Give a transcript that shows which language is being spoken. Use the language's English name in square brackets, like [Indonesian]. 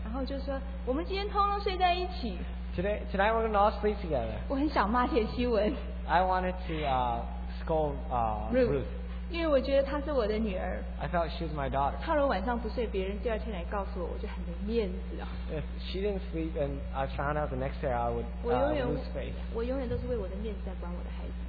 [Chinese] 然后就说, 我们今天通通睡在一起, [English] tonight we're going to all sleep together. [Chinese] 我很想骂铁西文, [English] I wanted to scold Ruth. [Chinese] 因为我觉得她是我的女儿, [English] I thought she was my daughter. [Chinese] 她如果晚上不睡, 别人第二天来告诉我, 我就很没面子啊。 [English] If she didn't sleep and I found out the next day, I would lose faith. [Chinese] 我永远都是为我的面子在管我的孩子。